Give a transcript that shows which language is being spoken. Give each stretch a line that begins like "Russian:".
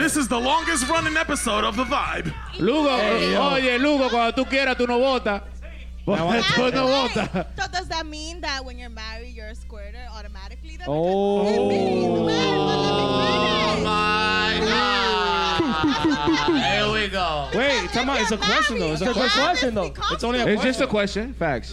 English: This is the longest running episode of The Vibe.
Spanish: Lugo, oye, Lugo, cuando tú quieras, tú no votas.
English: So does that mean that when you're married, you're a squirter automatically? Here we go. Wait, come on. It's a question, though. It's just a question. Facts.